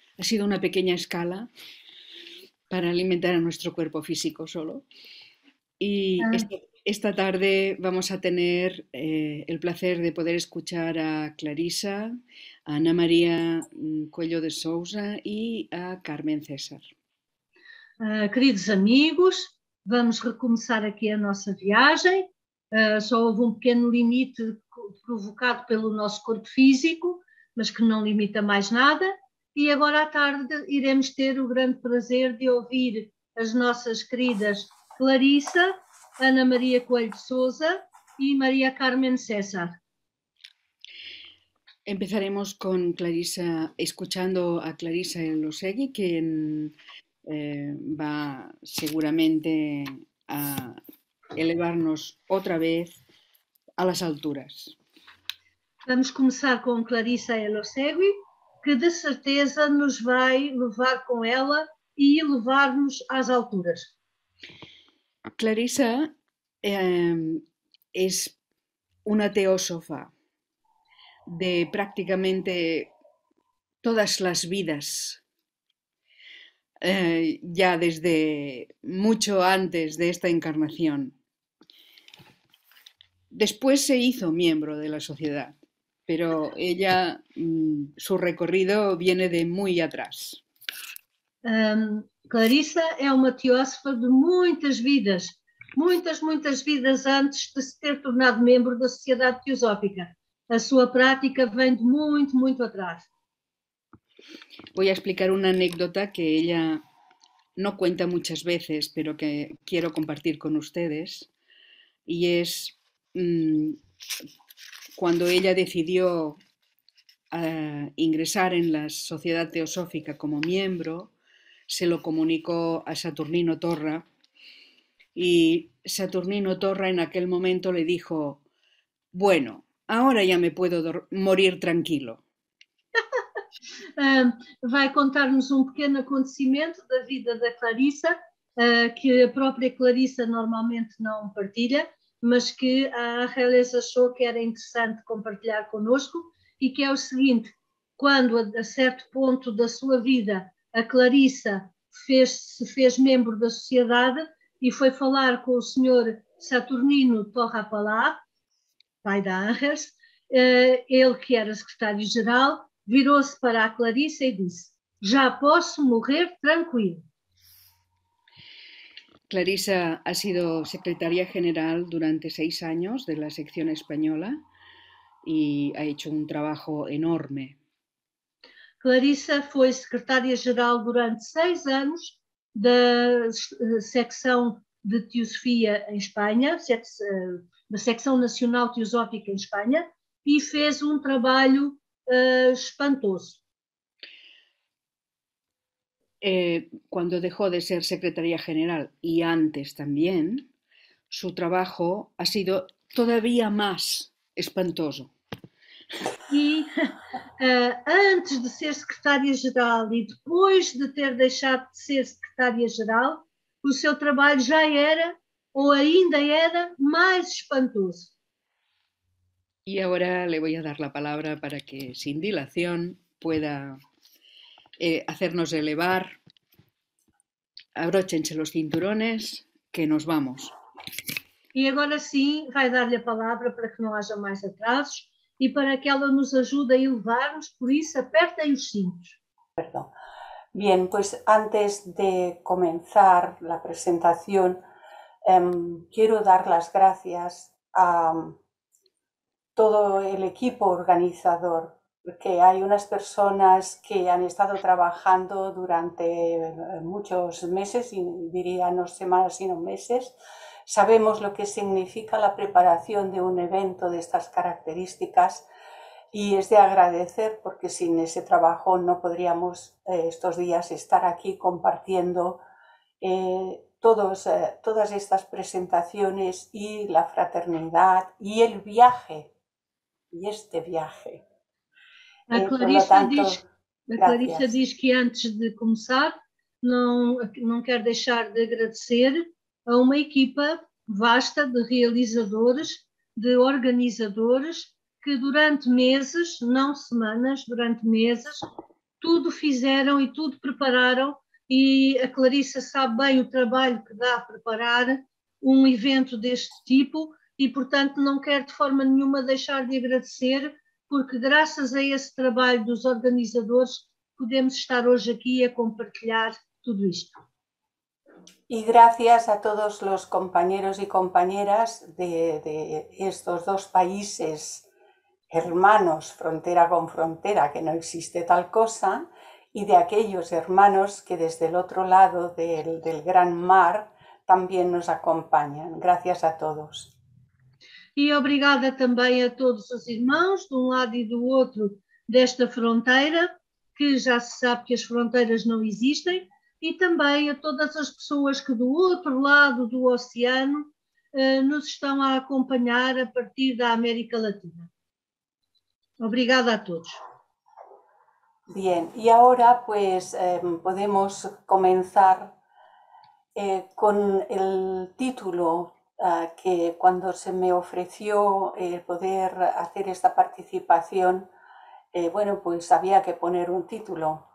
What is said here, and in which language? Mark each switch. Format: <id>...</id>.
<es>Ha sido una pequeña escala para alimentar a nuestro cuerpo físico solo. Y esta tarde vamos a tener el placer de poder escuchar a Clarisa, a Ana María Coelho de Sousa y a Carmen César.</es> <pt>Queridos amigos, vamos recomeçar aqui a nossa viagem. Só houve um pequeno limite provocado pelo nosso corpo físico, mas que não limita mais nada. E agora à tarde iremos ter o grande prazer de ouvir as nossas queridas Clarissa, Ana Maria Coelho de Sousa e Maria Carmen César.</pt> <es>Empezaremos con Clarisa, escuchando a Clarisa Elosegui, quien va seguramente a elevarnos otra vez a las alturas.</es> <pt>Vamos começar com Clarissa Elosegui, que de certeza nos vai levar com ela e elevar-nos às alturas.</pt> <es>Clarisa es una teósofa de prácticamente todas las vidas, ya desde mucho antes de esta encarnación. Después se hizo miembro de la sociedad, pero ella, su recorrido viene de muy atrás.</es> <pt>Clarissa é uma teósofa de muitas vidas, muitas, muitas vidas antes de se ter tornado membro da Sociedade Teosófica. A sua prática vem de muito, muito atrás.</pt> <es>Voy a explicar una anécdota que ella no cuenta muchas veces, pero que quiero compartir con ustedes. Y es cuando ella decidió ingresar en la Sociedad Teosófica como miembro, se lo comunicó a Saturnino Torra. Y Saturnino Torra en aquel momento le dijo: "Bueno, ahora ya me puedo morir tranquilo".</es> <pt>Vai contar-nos um pequeno acontecimento da vida da Clarissa, que a própria Clarissa normalmente não partilha, mas que a Angeles achou que era interessante compartilhar connosco, e que é o seguinte: quando a certo ponto da sua vida a Clarissa se fez membro da sociedade e foi falar com o senhor Saturnino Torra Palá, pai da Angeles, ele que era secretário-geral. Virou-se para a Clarissa e disse: "Já posso morrer tranquilo."</pt> <es>Clarisa ha sido secretaria general durante 6 años de la sección española y ha hecho un trabajo enorme.</es> <pt>Clarissa foi secretária-geral durante 6 anos da secção de Teosofia em Espanha, da secção nacional teosófica em Espanha, e fez um trabalho espantoso.</pt> <es>Cuando dejó de ser secretaria general y antes también, su trabajo ha sido todavía más espantoso.</es> <pt>E antes de ser secretária-geral e depois de ter deixado de ser secretária-geral, o seu trabalho já era ou ainda era mais espantoso.</pt> <es>Y ahora le voy a dar la palabra para que sin dilación pueda hacernos elevar. Abróchense los cinturones, que nos vamos.</es> <pt>E agora sim, vai dar-lhe a palavra para que não haja mais atrasos e para que ela nos ajude a elevar-nos, por isso apertem os cintos.</pt> <es>Perdón. Bien, pues antes de comenzar la presentación, quiero dar las gracias a todo el equipo organizador, porque hay unas personas que han estado trabajando durante muchos meses, y diría no semanas, sino meses. Sabemos lo que significa la preparación de un evento de estas características y es de agradecer porque sin ese trabajo no podríamos estos días estar aquí compartiendo todas estas presentaciones y la fraternidad y el viaje. Y este viaje. Por lo tanto,</es> <pt>A Clarissa</pt> <es>gracias.</es> <pt>diz que antes de começar, não quer deixar de agradecer a uma equipa vasta de realizadores, de organizadores, que durante meses, não semanas, durante meses, tudo fizeram e tudo prepararam, e a Clarissa sabe bem o trabalho que dá preparar um evento deste tipo, e portanto não quero de forma nenhuma deixar de agradecer, porque graças a esse trabalho dos organizadores podemos estar hoje aqui a compartilhar tudo isto.</pt> <es>Y gracias a todos los compañeros y compañeras de estos dos países hermanos, frontera con frontera, que no existe tal cosa, y de aquellos hermanos que desde el otro lado del gran mar también nos acompañan. Gracias a todos.</es> <pt>E obrigada também a todos os irmãos, de um lado e do outro desta fronteira, que já se sabe que as fronteiras não existem, e também a todas as pessoas que do outro lado do oceano, nos estão a acompanhar a partir da América Latina. Obrigada a todos.</pt> <es>Bien, y ahora pues podemos comenzar con el título que cuando se me ofreció poder hacer esta participación, bueno, pues había que poner un título.</es>